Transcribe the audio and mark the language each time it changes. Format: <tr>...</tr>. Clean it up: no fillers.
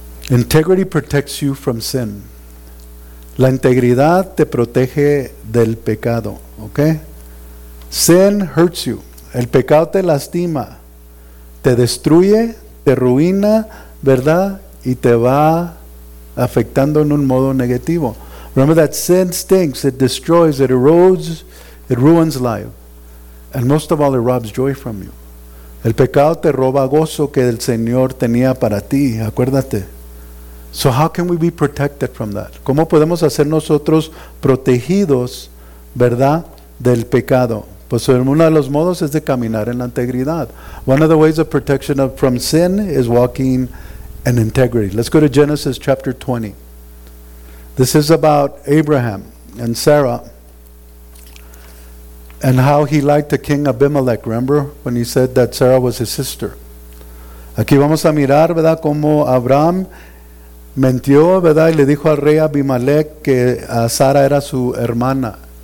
<en>Integrity protects you from sin.</en> <es>La integridad te protege del pecado.</es> <en>Okay? Sin hurts you.</en> <es>El pecado te lastima, te destruye, te ruina, ¿verdad? Y te va afectando en un modo negativo.</es> <en>Remember that sin stinks, it destroys, it erodes, it ruins life. And most of all, it robs joy from you.</en> <es>El pecado te roba gozo que el Señor tenía para ti, acuérdate.</es> <en>So how can we be protected from that?</en> <es>¿Cómo podemos hacer nosotros protegidos, verdad, del pecado? Pues uno de los modos es de caminar en la integridad.</es> <en>One of the ways of protection from sin is walking in integrity. Let's go to Genesis chapter 20. This is about Abraham and Sarah and how he lied to King Abimelech. Remember when he said that Sarah was his sister?</en> <es>Aquí vamos a mirar, ¿verdad?, cómo Abraham mintió, ¿verdad?, y le dijo al rey Abimelech que Sara era su hermana.</es>